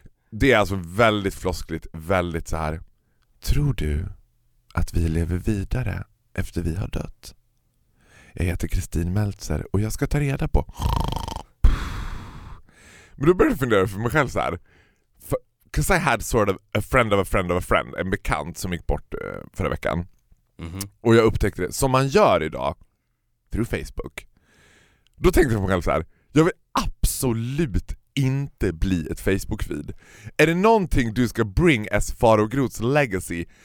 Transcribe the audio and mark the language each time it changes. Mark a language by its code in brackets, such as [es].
[sv] Det är alltså väldigt floskligt, väldigt så här, tror du att vi lever vidare efter vi har dött? Jag heter Kristin Meltzer och jag ska ta reda på... Men då började jag fundera för mig själv så här. [en] Because I had sort of a friend of a friend of a friend. [sv] En bekant som gick bort förra veckan. Mm-hmm. Och jag upptäckte det som man gör idag. [en] Through Facebook. [sv] Då tänkte jag för mig själv så här. Jag vill absolut inte bli ett Facebook-feed. Är det någonting du ska [en] bring as [sv] Faro Groths legacy?